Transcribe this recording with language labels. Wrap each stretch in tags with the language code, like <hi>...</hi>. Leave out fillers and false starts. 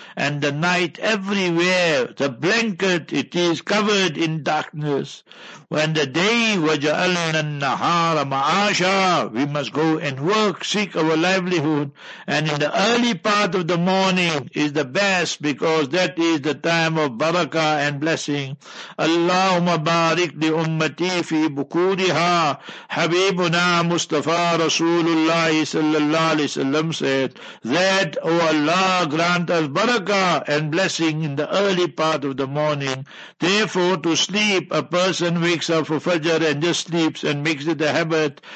<en>And the night everywhere, the blanket, it is covered in darkness. When the day,</en> <ar>وَجَعَلْنَا النَّهَارَ مَعَاشَا,</ar> <en>we must go and work, seek our livelihood. And in the early part of the morning is the best, because that is the time of barakah and blessing.</en> <ar>اللهم بارك لأمتي في بكورها. حبيبنا مصطفى رسول الله صلى الله عليه وسلم</ar> <en>said that, O Allah, grant us barakah and blessing in the early part of the morning. Therefore, to sleep, a person wakes up for Fajr and just sleeps and makes it a habit.</en>